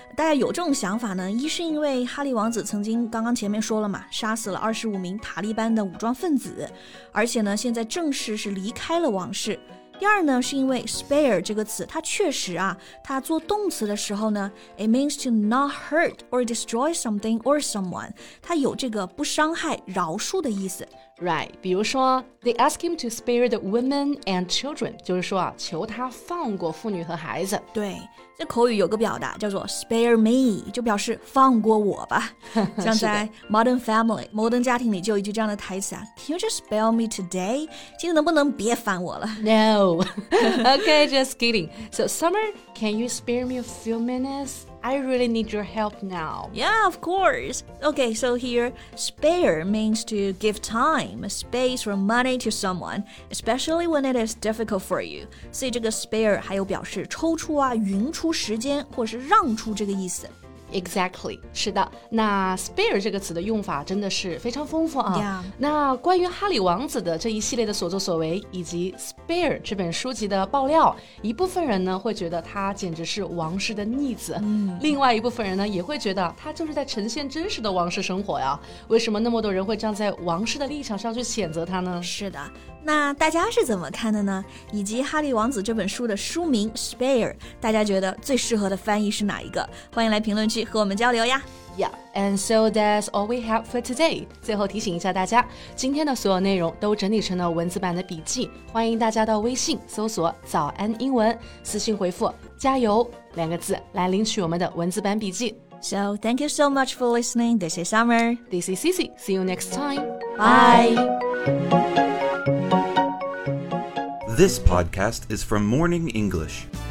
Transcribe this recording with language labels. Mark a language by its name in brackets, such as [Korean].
[Chinese] 大家有这种想法呢一是因为哈利王子曾经刚刚前面说了嘛杀死了25名塔利班的武装分子而且呢现在正式是离开了王室第二呢是因为 spare 这个词它确实啊它做动词的时候呢 [English] it means to not hurt or destroy something or someone [Chinese] 它有这个不伤害饶恕的意思 Right, 比如说 [English] they ask him to spare the women and children [Chinese] 就是说啊求他放过妇女和孩子对这口语有个表达叫做 spare me 就表示放过我吧像在 modern family 摩登家庭里就有一句这样的台词、啊、 [English] Can you just spare me today? [Chinese] 今天能不能别烦我了 [English] No Okay, just kidding So Summer, can you spare me a few minutes? I really need your help now Yeah, of course Okay, so here spare means to give time space or money to someone especially when it is difficult for you [Chinese] 所以这个 spare 还有表示抽出啊匀出时间或是让出这个意思 Exactly 是的那 spare 这个词的用法真的是非常丰富啊、 [English] yeah. [Chinese] 那关于哈利王子的这一系列的所作所为以及 spare 这本书籍的爆料一部分人呢会觉得他简直是王室的逆子、嗯、另外一部分人呢也会觉得他就是在呈现真实的王室生活呀、啊、为什么那么多人会站在王室的立场上去谴责他呢是的那大家是怎么看的呢以及哈利王子这本书的书名 Spare 大家觉得最适合的翻译是哪一个欢迎来评论区和我们交流呀 [English] Yeah, and so that's all we have for today [Chinese] 最后提醒一下大家今天的所有内容都整理成了文字版的笔记欢迎大家到微信搜索早安英文私信回复加油两个字来领取我们的文字版笔记 [English] So thank you so much for listening This is Summer This is Cici See you next time Bye This podcast is from Morning English.